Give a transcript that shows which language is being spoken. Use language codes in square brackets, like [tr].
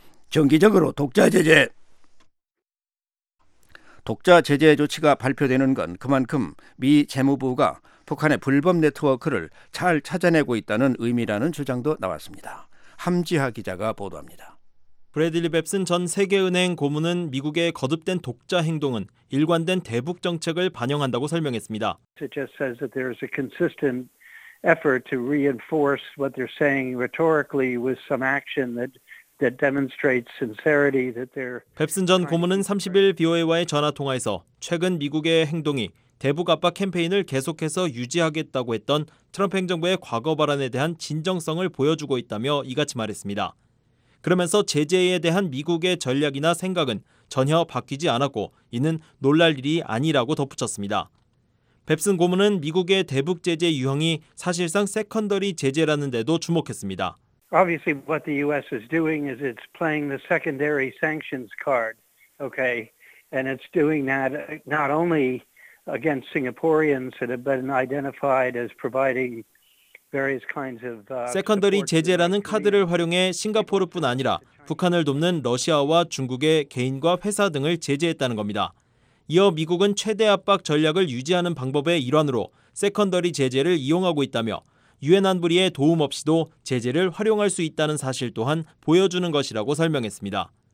[ko] 정기적으로 독자 제재 조치가 발표되는 건 그만큼 미 재무부가 북한의 불법 네트워크를 잘 찾아내고 있다는 의미라는 주장도 나왔습니다. 함지하 기자가 보도합니다. 브래들리 뱁슨 전 세계은행 고문은 미국의 거듭된 독자 행동은 일관된 대북 정책을 반영한다고 설명했습니다. [en] It just says that there is a consistent effort to reinforce what they're saying rhetorically with some action that demonstrates sincerity that they're [ko] 뱁슨 전 고문은 30일 VOA와의 전화 통화에서 최근 미국의 행동이 대북 압박 캠페인을 계속해서 유지하겠다고 했던 트럼프 행정부의 과거 발언에 대한 진정성을 보여주고 있다며 이같이 말했습니다. 그러면서 제재에 대한 미국의 전략이나 생각은 전혀 바뀌지 않았고 이는 놀랄 일이 아니라고 덧붙였습니다. 뱁슨 고문은 미국의 대북 제재 유형이 사실상 세컨더리 제재라는데도 주목했습니다. [en] Obviously what the US is doing is it's playing the secondary sanctions card. Okay. And it's doing that not only against Singaporeans that have been identified as providing various kinds of [ko] 세컨더리 제재라는 카드를 활용해 싱가포르뿐 아니라 북한을 돕는 러시아와 중국의 개인과 회사 등을 제재했다는 겁니다. 이어 미국은 최대 압박 전략을 유지하는 방법의 일환으로 세컨더리 제재를 이용하고 있다며 유엔 안보리의 도움 없이도 제재를 활용할 수 있다는 사실 또한 보여주는 것이라고 설명했습니다.